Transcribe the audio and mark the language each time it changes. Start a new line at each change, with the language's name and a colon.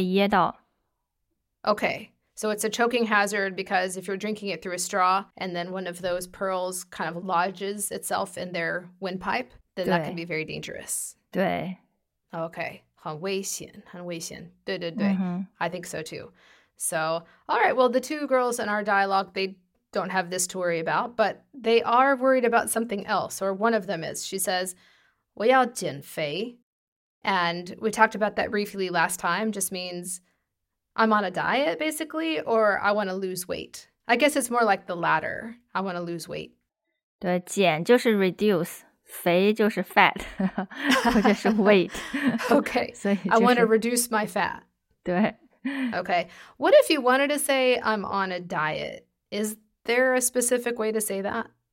Chinese: 如果它是一个很大的一个吸管，然后如果你把那个珍珠这样子不小心吸到了气管里，小孩子就会被噎到。Okay,
English: so it's a choking hazard because if you're drinking it through a straw and then one of those pearls kind of lodges itself in their windpipe, then that can be very dangerous.
Chinese: 对。 Okay, 很危险，很危险。对对对,
English: I think so too. So, all right, well, the two girls in our dialogue, they don't have this to worry about, but they are worried about something else, or one of them is. She says,
Chinese: 我要减肥.
English: And we talked about that briefly last time, just means I'm on a diet, basically, or I want to lose weight. I guess it's more like the latter. I want to lose weight.
Chinese: 对,减就是 reduce, 肥就是 fat, 或者是 weight.
English: Okay,
Chinese: 所以就是...
English: I want to reduce my fat.
Chinese: 对.
English: Okay, what if you wanted to say I'm on a diet? Is there a specific way to say that?